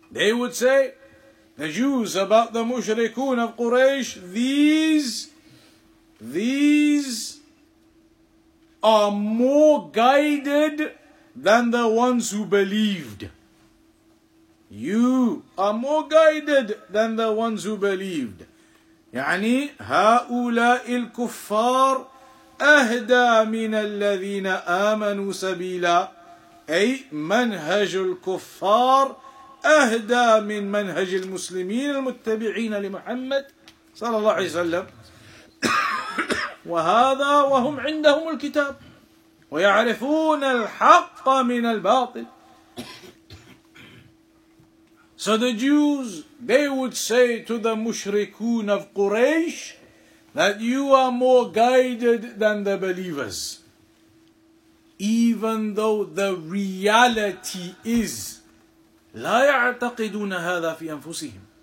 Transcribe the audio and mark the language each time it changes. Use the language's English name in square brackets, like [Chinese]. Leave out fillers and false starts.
[English] They would say, the Jews about the mushrikun of Quraysh, these are more guided than the ones who believed. You are more guided than the ones who believed. [Arabic] يعني هؤلاء الكفار أهدى من الذين آمنوا سبيلا. أي منهج الكفار أهدى من منهج المسلمين المتبعين لمحمد صلى الله عليه وسلم. وهذا وهم عندهم الكتاب ويعرفون الحق من الباطل. [English] So the Jews, they would say to the mushrikun of Quraysh that you are more guided than the believers, even though the reality is [Arabic] لا يعتقدون هذا في أنفسهم.